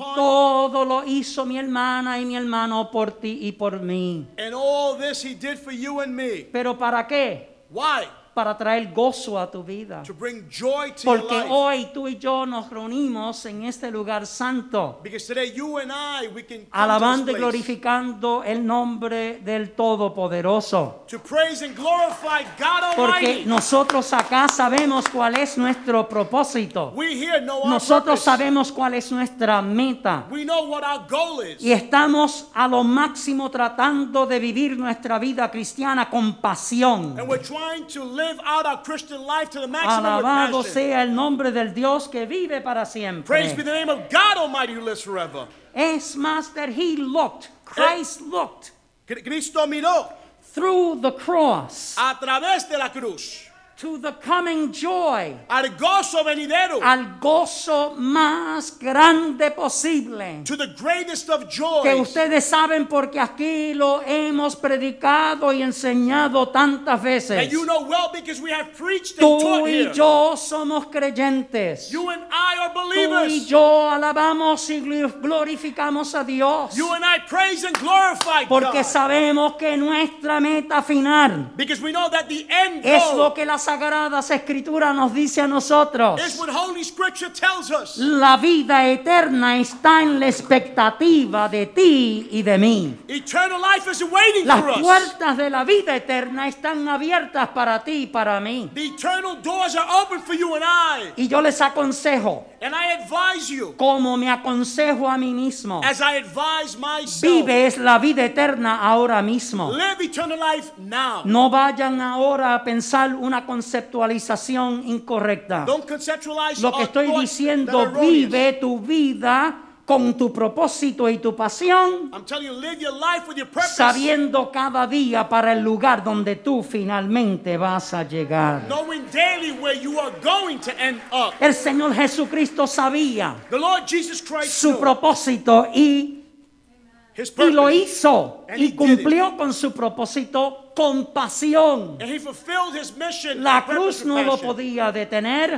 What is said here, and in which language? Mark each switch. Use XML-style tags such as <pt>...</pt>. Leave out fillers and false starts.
<es>Y todo lo hizo mi hermana y mi hermano por ti y por mí.</es> <en>And all this he did for you and me.</en> <es>¿Pero para qué?</es> <en>Why?</en> <es>Para traer gozo a tu vida.</es> <en>To bring joy to</en> <es>porque</es> <en>your life.</en> <es>Hoy tú y yo nos reunimos en este lugar santo.</es> <en>Because today you and I, we can</en> <es>alabando y glorificando el nombre del Todopoderoso.</es> <en>To praise and glorify God Almighty.</en> <es>Porque nosotros acá sabemos cuál es nuestro propósito.</es> <en>We here know our</en> <es>nosotros</es> <en>purpose.</en> <es>Sabemos cuál es nuestra meta.</es> <en>We know what our goal is.</en> <es>Y estamos a lo máximo tratando de vivir nuestra vida cristiana con pasión.</es> <en>And we're trying to live out our Christian life to the maximum.</en> <es>Alabado sea el nombre del Dios que vive para siempre.</es> <en>Praise be the name of God Almighty who lives forever.</en> <es>Es más</es> <en>that he looked, Christ looked.</en> <es>Cristo miró.</es> <en>Through the cross.</en> <es>A través de la cruz.</es> <en>To the coming joy.</en> <es>Al gozo venidero. Al gozo más grande posible.</es> <en>To the greatest of joys.</en> <es>Que ustedes saben porque aquí lo hemos predicado y enseñado tantas veces.</es> <en>And you know well because we have preached and</en> <es>tú</es> <en>taught here.</en> <es>Tú y yo somos creyentes.</es> <en>You and I are believers.</en> <es>Tú y yo alabamos y glorificamos a Dios.</es> <en>You and I praise and glorify God.</en> <es>Porque sabemos que nuestra meta final.</es> <en>Because we know that the end goal.</en> <es>Es lo que las Sagradas Escrituras nos dice a nosotros.</es> <en>It's what Holy Scripture tells us.</en> <es>La vida eterna está en la expectativa de ti y de mí.</es> <en>Eternal life is waiting</en> <es>las</es> <en>for us.</en> <es>Las puertas de la vida eterna están abiertas para ti y para mí.</es> <en>The eternal doors are open for you and I.</en> <es>Y yo les aconsejo.</es> <en>And I advise you.</en> <es>Como me aconsejo a mí mismo.</es> <en>As I advise myself.</en> <es>Vive es la vida eterna ahora mismo.</es> <en>Live eternal life now.</en> <es>No vayan ahora a pensar una conceptualización incorrecta.</es> <en>Don't conceptualize</en> <es>lo que estoy diciendo, vive tu vida con tu propósito y tu pasión,</es> <en>I'm telling you, live your life with your purpose,</en> <es>sabiendo cada día para el lugar donde tú finalmente vas a llegar.</es> <en>Knowing daily where you are going to end up.</en> <es>El Señor Jesucristo sabía</es> <en>the Lord Jesus Christ</en> <es>su propósito y,</es> <en>his purpose,</en> <es>y lo hizo</es> <en>and</en> <es>y cumplió con su propósito. Compasión.</es> <en>And he fulfilled his mission.</en> <es>La cruz no lo podía detener.</es>